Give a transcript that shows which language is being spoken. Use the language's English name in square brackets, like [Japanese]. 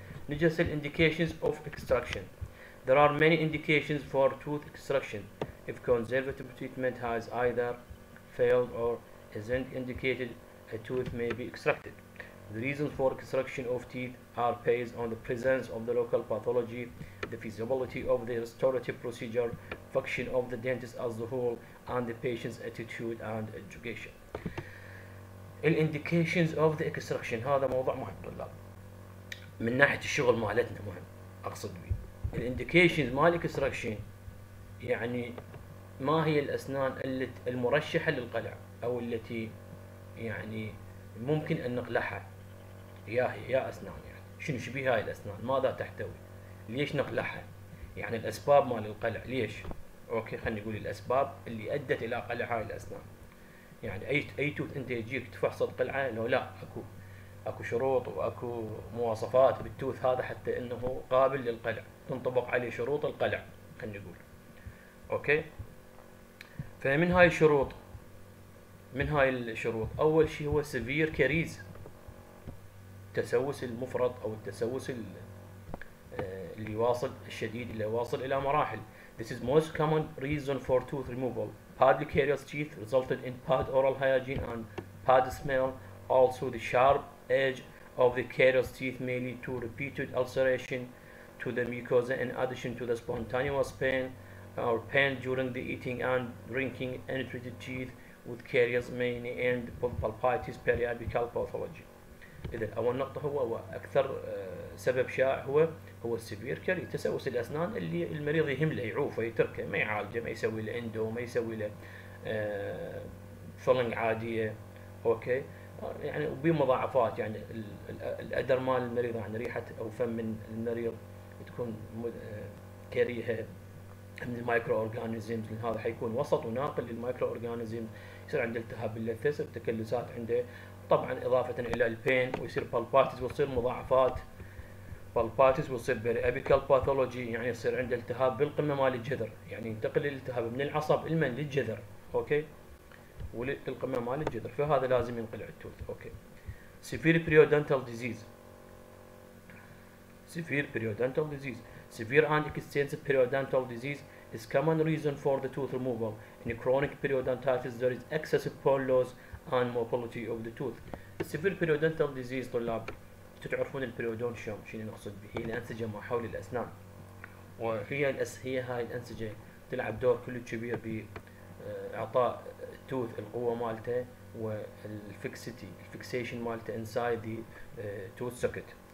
[Arabic] نجلس [English] الانديكيشنز of extraction. There are many indications for tooth extraction. If conservative treatment has either failed or isn't indicated, a tooth may be extracted. The reasons for extraction of teeth are based on the presence of the local pathology, the feasibility of the restorative procedure, function of the dentist as a whole, and the patient's attitude and education. Indications of the extraction. [Arabic] هذا موضوع مهم طلاب. من ناحية الشغل مالتنا مهم. أقصد بي. الانديكيشنز مال اكستراكشن يعني ما هي الاسنان التي المرشحه للقلع او التي يعني ممكن ان نقلعها. يا اسنان يعني شنو شبيه هاي الاسنان؟ ماذا تحتوي؟ ليش نقلعها؟ يعني الاسباب مال القلع ليش؟ اوكي، خلينا نقول الاسباب اللي ادت الى قلع هاي الاسنان. يعني اي توث انت يجيك تفحص القلعه لو لا اكو شروط واكو مواصفات بالتوث هذا حتى انه قابل للقلع، تنطبق عليه شروط القلع خلينا نقول. اوكي، فمن هاي الشروط، من هاي الشروط اول شيء هو سيفير كاريز، تسوس المفرط او التسوس اللي واصل الشديد اللي واصل الى مراحل. [English] This is most common reason for tooth removal. Bad carious teeth resulted in bad oral hygiene and bad smell. Also the sharp edge of the carious teeth may lead to repeated ulceration to the mucosa in addition to the spontaneous pain or pain during the eating and drinking. Untreated teeth with caries may end pulpitis periapical pathology. [Arabic] إذا أول نقطة هو أكثر سبب شائع هو السبير كاري، تسوس الأسنان اللي المريض يهمله يعوفه يتركه ما يعالجه، ما يسوي له إندو، ما يسوي له فلنج عادية. أوكي، يعني وبمضاعفات يعني الأدر مال المريض، يعني ريحة أو فم من المريض تكون كريهة من المايكرو اورجانيزمز، لان هذا حيكون وسط وناقل للمايكرو اورجانيزم، يصير عنده التهاب باللثه، يصير تكلسات عنده طبعا اضافه الى البين، ويصير بالباتس ويصير مضاعفات بالباتس ويصير بيريابيكال باثولوجي، يعني يصير عنده التهاب بالقمه مال الجذر، يعني ينتقل الالتهاب من العصب المن للجذر. اوكي، وللقمه مال الجذر، فهذا لازم ينقلع التوث. [English] Okay, severe periodontal disease. Severe periodontal disease. Severe and extensive periodontal disease is common reason for the tooth removal. In chronic periodontitis, there is excessive pore loss and mobility of the tooth. Severe periodontal disease, [Arabic] طلاب، تتعرفون البريودون شوم، شنو نقصد به؟ هي الأنسجة ما حول الأسنان. وهي هاي الأنسجة تلعب دور كل كبير بإعطاء التوث القوة مالته والفكسيتي، الفكسيشن مالته [English] inside the tooth socket.